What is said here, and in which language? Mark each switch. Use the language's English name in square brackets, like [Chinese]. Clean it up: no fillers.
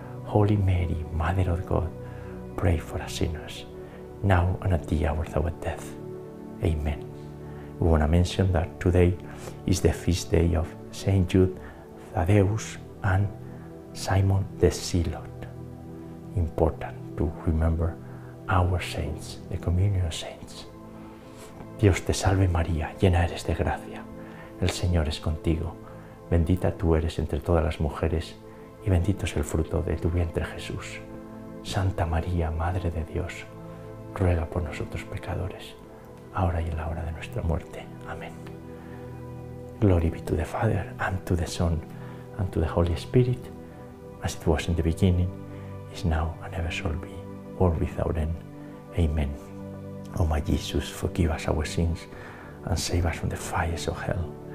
[English] Holy Mary, Mother of God, pray for us sinners, now and at the hour of our death. Amen. We want to mention that today is the feast day of Saint Jude Thaddeus and Simon the Zealot. Important to remember our saints, the communion of saints. [Spanish] Dios te salve María, llena eres de gracia. El Señor es contigo. Bendita tú eres entre todas las mujeres y bendito es el fruto de tu vientre, Jesús. Santa María, Madre de Dios, ruega por nosotros pecadores, ahora y en la hora de nuestra muerte. Amén. [English] Glory be to the Father, and to the Son, and to the Holy Spirit, as it was in the beginning, is now, and ever shall be, world without end. Amen. O my Jesus, forgive us our sins, and save us from the fires of hell.